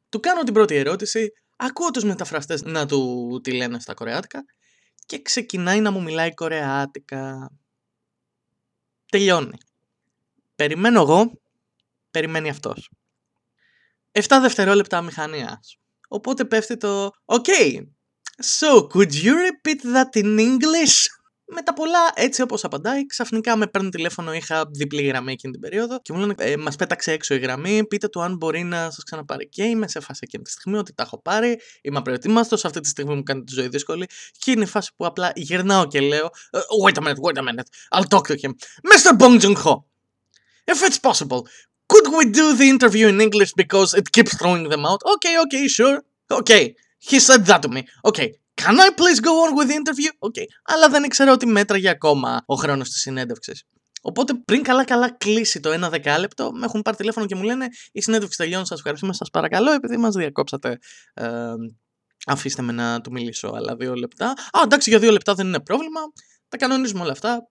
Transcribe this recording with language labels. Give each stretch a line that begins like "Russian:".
Greek: Του κάνω την πρώτη ερώτηση, ακούω τους μεταφραστές να του τη λένε στα κορεάτικα και ξεκινάει να μου μιλάει κορεάτικα. Τελειώνει. Περιμένω εγώ, περιμένει αυτός. 7 δευτερόλεπτα αμηχανίας. Οπότε πέφτει το okay.
English: So, could you repeat that in English?
Greek: Με τα πολλά, έτσι όπως απαντάει, ξαφνικά με παίρνει τηλέφωνο, είχα διπλή γραμμή εκείνη την περίοδο και μου λένε, μας πέταξε έξω η γραμμή, πείτε του αν μπορεί να σας ξαναπάρει. Και είμαι σε φάση εκείνη τη στιγμή ότι τα έχω πάρει, είμαι προετοίμαστος, αυτή τη στιγμή μου κάνει τη ζωή δύσκολη και είναι η φάση που απλά γυρνάω και λέω,
English: wait a minute, I'll talk to him. Mr. Bong Joon-ho, if it's possible, could we do the interview in English because it keeps throwing them out? Okay, sure, okay. He said that to me. Okay, can I please go on with the interview?
Greek: Okay, αλλά δεν ήξερα ότι μέτραγε ακόμα ο χρόνος της συνέντευξης. Οπότε πριν καλά κλείσει το 1/10, με έχουν πάρει τηλέφωνο και μου λένε η συνέντευξη τελειώνει, σας ευχαριστούμε, σας παρακαλώ, επειδή μας διακόψατε. Αφήστε με να του μιλήσω άλλα 2 λεπτά. Α, εντάξει, για 2 λεπτά δεν είναι πρόβλημα. τα κανονίζουμε όλα αυτά.